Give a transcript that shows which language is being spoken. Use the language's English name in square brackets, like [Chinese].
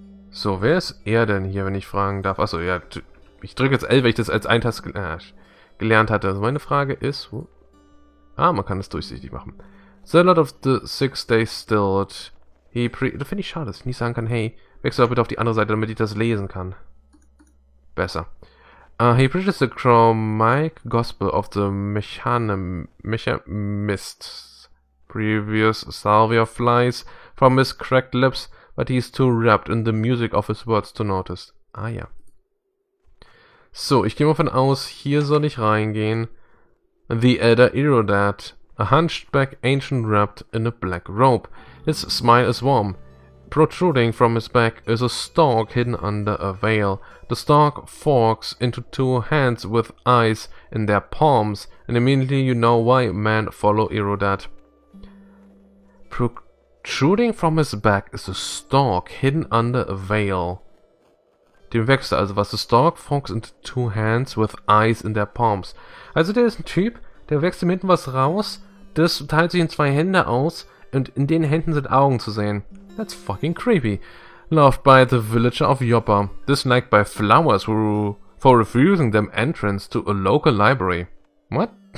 [German] So, wer ist er denn hier, wenn ich fragen darf? Achso, ja, ich drücke jetzt L, weil ich das als Eintast gelernt hatte. Also meine Frage ist, wo? Ah, man kann es durchsichtig machen. [English] The Lord of the Six Days Stilled. He pre. [German] Das finde ich schade, dass ich nicht sagen kann, hey, wechsel bitte auf die andere Seite, damit ich das lesen kann. Besser. [English] He preaches the Chromaic Gospel of the Mechanist. Previous Salvia flies from his cracked lips, but he is too wrapped in the music of his words to notice. [German] Ah ja. So, ich gehe mal von aus, hier soll ich reingehen. [English] The Elder Irodad. A hunchback ancient wrapped in a black robe. His smile is warm. Protruding from his back is a stalk hidden under a veil. The stalk forks into two hands with eyes in their palms, and immediately you know why men follow Irodad. Protruding from his back is a stalk hidden under a veil. [German] Dem Wächster, also was, [English] the stalk forks into two hands with eyes in their palms. [German] Also der ist ein Typ, der wächst ihm hinten was raus, das teilt sich in zwei Hände aus und in den Händen sind Augen zu sehen. [English] That's fucking creepy. Loved by the villager of Joppa. Disliked by flowers who, for refusing them entrance to a local library. What?